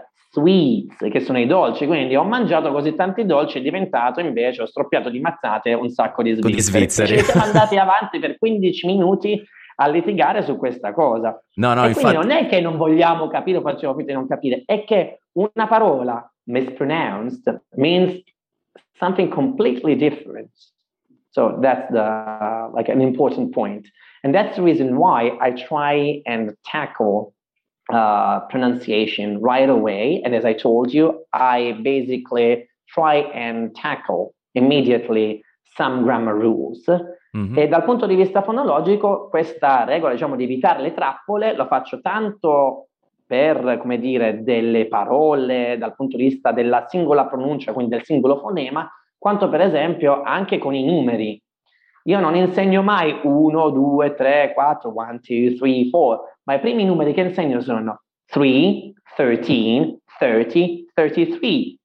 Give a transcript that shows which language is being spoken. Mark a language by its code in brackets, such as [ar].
[it] Sweets, che sono i dolci, quindi ho mangiato così tanti dolci e diventato invece, ho stroppiato di mazzate un sacco di svizzeri. Di svizzeri. Ci siamo andati avanti per 15 minuti a litigare su questa cosa. No, no, e infatti, quindi non è che non vogliamo capire, facciamo finta di non capire, è che una parola [en] mispronounced means something completely different. So that's the like an important point. And that's the reason why I try and tackle pronunciation right away, and as I told you, I basically try and tackle immediately some grammar rules. [it] Mm-hmm. E dal punto di vista fonologico, questa regola, diciamo, di evitare le trappole, lo faccio tanto per, come dire, delle parole dal punto di vista della singola pronuncia, quindi del singolo fonema, quanto per esempio anche con i numeri. Io non insegno mai 1, 2, 3, 4, 1, 2, 3, 4, ma i primi numeri che insegno sono 3, 13, 30, 33.